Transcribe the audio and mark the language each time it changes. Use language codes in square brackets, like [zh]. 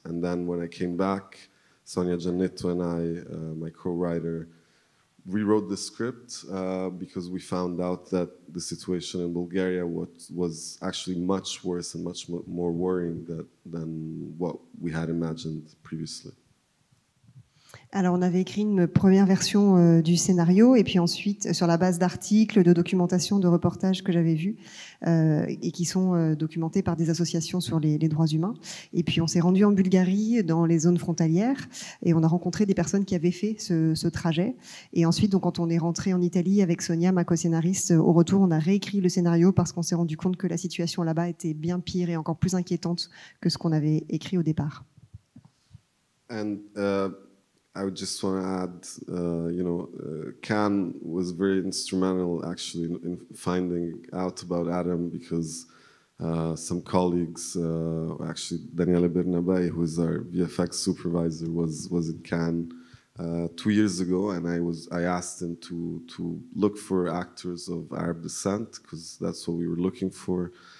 [en] And then when I came back, Sonia Giannetto and I, my co-writer, rewrote the script because we found out that the situation in Bulgaria was actually much worse and much more worrying than what we had imagined previously. [fr] Alors, on avait écrit une première version du scénario, et puis ensuite, sur la base d'articles, de documentation, de reportages que j'avais vus, et qui sont documentés par des associations sur les droits humains. Et puis, on s'est rendu en Bulgarie, dans les zones frontalières, et on a rencontré des personnes qui avaient fait ce trajet. Et ensuite, donc, quand on est rentré en Italie avec Sonia, ma co-scénariste, au retour, on a réécrit le scénario parce qu'on s'est rendu compte que la situation là-bas était bien pire et encore plus inquiétante que ce qu'on avait écrit au départ. [en] I would just want to add, Cannes was very instrumental actually in finding out about Adam because some colleagues, actually Daniele Bernabei, who is our VFX supervisor, was in Cannes 2 years ago, and I asked him to look for actors of Arab descent because that's what we were looking for.